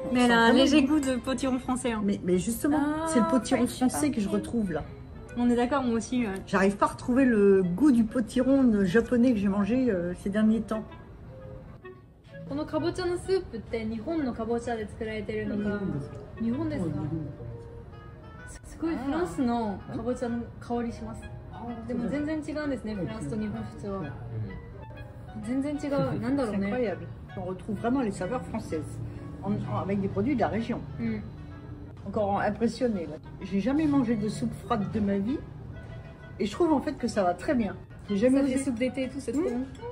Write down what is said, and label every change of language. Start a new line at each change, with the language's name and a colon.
French: Mais elle a un léger goût de potiron français. Hein. Mais justement, c'est le potiron français que je retrouve là. On est d'accord, moi aussi. J'arrive pas à retrouver le goût du potiron japonais que j'ai mangé ces derniers temps.
Japanese: このかぼちゃのスープって日本のかぼちゃで作られてるのか。日本ですか。すごいフランスのかぼちゃの香りします。でも全然違うんですね、フランスと日本普通は。
French: incroyable. On retrouve vraiment les saveurs françaises avec des produits de la région. Encore impressionnée. Là. J'ai jamais mangé de soupe froide de ma vie et je trouve en fait que ça va très bien. J'ai jamais mangé de soupe d'été et tout, c'est trop bon.